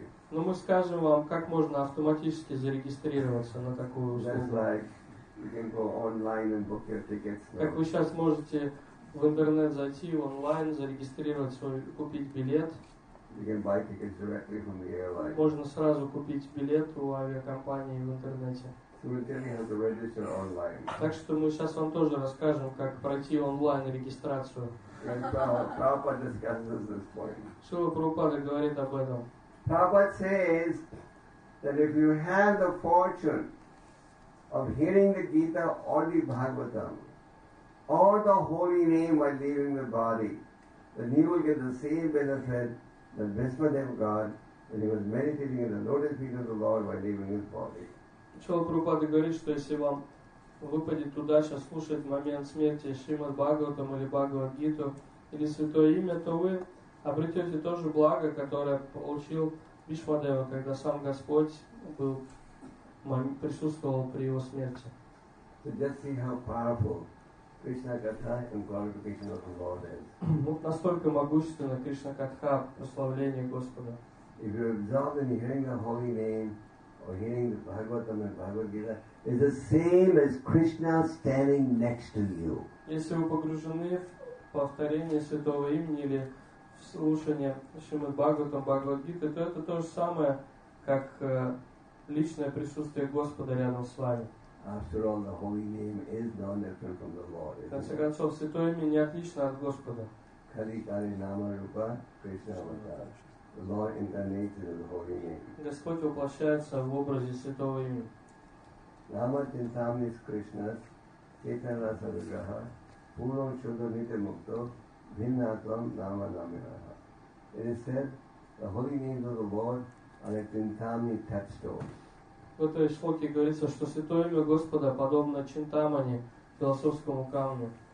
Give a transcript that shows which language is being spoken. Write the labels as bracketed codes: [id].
[ru] Но мы скажем вам, как можно автоматически зарегистрироваться на такую услугу. [en] You can go online and book your tickets. [ru] Как вы сейчас можете в интернет зайти онлайн, зарегистрировать свой, купить билет. [en] You can buy tickets directly from the airline. [ru] Можно сразу купить билет у авиакомпании в интернете. [en] So we're telling you how to register online. [ru] Так что мы сейчас вам тоже расскажем, как пройти онлайн регистрацию. [en] Prabhupada discusses this point. [ru] Шрила Прабхупада говорит об этом. [en] Prabhupada says that if you have the fortune of hearing the Gita or the Bhagavatam or the holy name while leaving the body, then he will get the same benefit that Bhishmadev got when he was meditating at the lotus feet of the Lord while leaving his body. [ru] Шрила Прабхупада говорит, что если вам выпадет удача слушать момент смерти Шримад Бхагаватам или Бхагавад Гиту или Святое Имя, то вы обретете то же благо, которое получил Бхишмадева, когда сам Господь был присутствовал при его смерти. [en] So just see how powerful Krishna Katha and glorification of the Lord is. [ru] Вот настолько могущественно Кришна Катха, прославление Господа. [en] If you're absorbed in hearing the holy name or hearing the Bhagavatam and Bhagavad Gita, it's the same as Krishna standing next to you. [ru] Если вы погружены в повторение Святого Имени или в слушание Шримад Бхагаватам, Бхагавад Гиты, то это то же самое, как личное присутствие Господа рядом с вами. [en] After all, the holy name is no different from the Lord. [ru] В конце концов, святое имя не отлично от Господа. [sa] Кали Кали Нама Рупа Кришна Аватар. [en] The Lord incarnated in the holy name. [ru] Господь воплощается в образе святого имени. [sa] Нама Тинтамнис Кришнас Кетана Садгаха Пуро Чудамите Мукто Виннатвам Нама Намираха. [en] It is said, the holy names of the Lord are a Тинтамни touchstone. [ru] В этой шлоке говорится, что святое имя Господа подобно чинтамани, философскому камню.